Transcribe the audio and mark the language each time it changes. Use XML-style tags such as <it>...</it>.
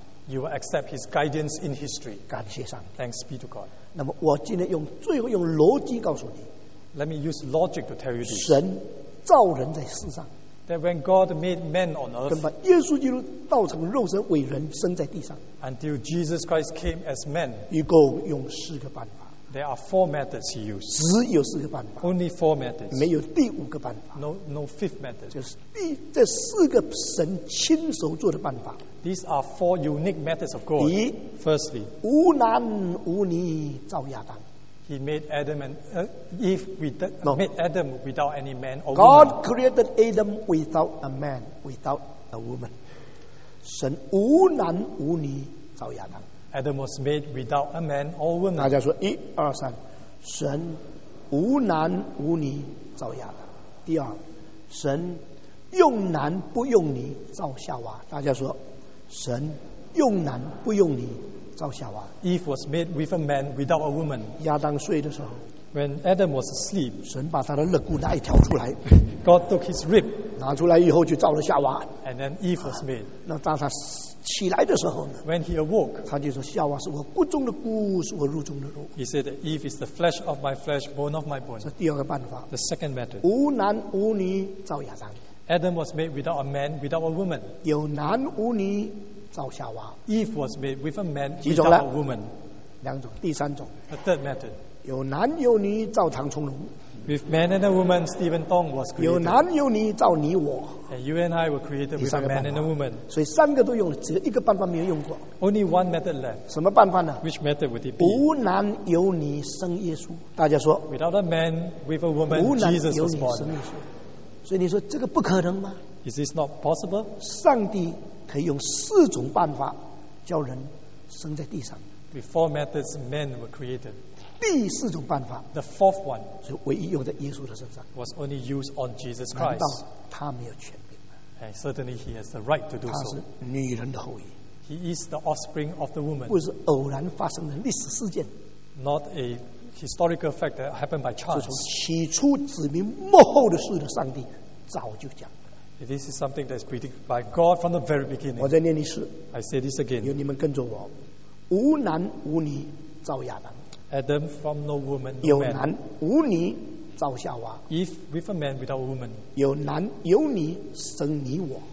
<en>You will accept his guidance in history. Thanks be to God.</en> <zh>那么我今天用最后用逻辑告诉你,</zh> <en>let me use logic to tell you this.</en> <zh>神造人在世上,</zh> <en>that when God made man on earth,</en> <zh>跟把耶稣基督道成肉身伟人生在地上,</zh> <en>until Jesus Christ came as man,</en> <zh>一共用4个办法,</zh> <en>there are 4 methods he used.</en> <zh>只有4个办法,</zh> <en>only 4 methods,</en> <zh>没有第5个办法,</zh> <en>no 5th method.</en> <zh>这四个神亲手做的办法,</zh> <en>these are 4 unique methods of God.</en> <zh>第一,</zh> <en>firstly,</en> <zh>无男无女造亚当,</zh> <en>he made Adam and Eve without, no, made Adam without any man or God Created Adam without a man, without a woman.</en> <zh>神无男无女造亚当,</zh> <en>Adam was made without a man or woman.</en> <zh>大家说一二三, 神无男无女造亚当。第二，神用男不用女造夏娃。大家说，神用男不用女造夏娃。</zh> <en>Eve was made with a man, without a woman.</en> <zh>亚当睡的时候。</zh> <en>When Adam was asleep,</en> <zh>神把他的肋骨拿一条出来。</zh> <en>God took his rib,</en> <zh>拿出来以后就造了夏娃。</zh> <en>And then Eve was made.</en> <zh>那当他起来的时候呢？</zh> <en>When he awoke,</en> <zh>他就说夏娃是我骨中的骨，是我肉中的肉。</zh> <en>He said, Eve is the flesh of my flesh, bone of my bone.</en> <zh>这第二个办法。</zh> <en>The second method.</en> <zh>无男无女造亚当。</zh> <en>Adam was made without a man, without a woman.</en> <zh>有男无女造夏娃。</zh> <en>Eve was made with a man, without a woman.</en> <zh>两种，第三种。</zh> <en>The third method.</en> <zh>有男有女造唐崇荣。</zh> <en>With man and a woman, Stephen Tong was created.</en> <zh>有男有女造你我。</zh> <en>And you and I were created with a man and a woman.</en> <zh>所以三个都用了，只有一个办法没有用过。</zh> <en>Only one method left.</en> <zh>什么办法呢？</zh> <en>Which method would it be?</en> <zh>无男有女生耶稣。大家说。</zh> <en>Without a man, with a woman, Jesus was born.</en> <zh>所以你说这个不可能吗？</zh> <en>Is this not possible?</en> <zh>上帝可以用四种办法叫人生在地上。</zh> <en>With four methods, men were created.</en> <zh>第四种办法</zh> <en>the fourth one</en> <zh>是唯一用在耶稣的身上</zh> <en>was only used on Jesus Christ</en> <zh>难道他没有权柄</zh> <en>and certainly he has the right to do so</en> <zh>他是女人的后裔</zh> <en>he is the offspring of the woman</en> <zh>不是偶然发生的历史事件</zh> <en>not a historical fact that happened by chance</en> <zh>是从起初指明幕后的事的上帝早就讲</zh> <en>this is something that is predicted by God from the very beginning</en> <zh>我再念一次</zh> <en>I say this again</en> <zh>有你们跟着我无男无女造亚当</zh> <en>Adam from no woman, no man.</en> <zh>有男无女造夏娃。</zh> <en>If with a man without a woman.</en> <zh>有男有女生你我。</zh>